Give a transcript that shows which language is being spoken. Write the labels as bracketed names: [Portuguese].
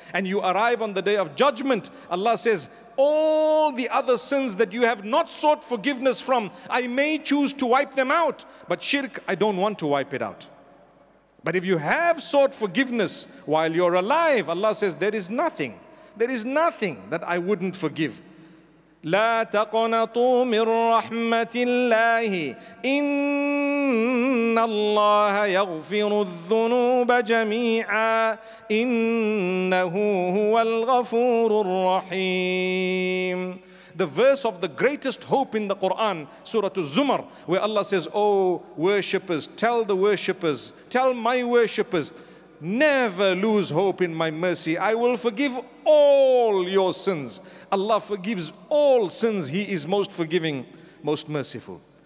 [English] And you arrive on the day of judgment, Allah says, all the other sins that you have not sought forgiveness from, I may choose to wipe them out, but shirk, I don't want to wipe it out. But if you have sought forgiveness while you're alive, Allah says, there is nothing that I wouldn't forgive. [Arabic] لا تقنطوا من رحمة الله إن الله يغفر الذنوب جميعا إنه هو الغفور الرحيم. [English] The verse of the greatest hope in the Quran, Surah Az-Zumar, where Allah says, oh worshippers, tell the worshippers, tell my worshippers, never lose hope in my mercy. I will forgive all your sins. Allah forgives all sins. He is most forgiving, most merciful.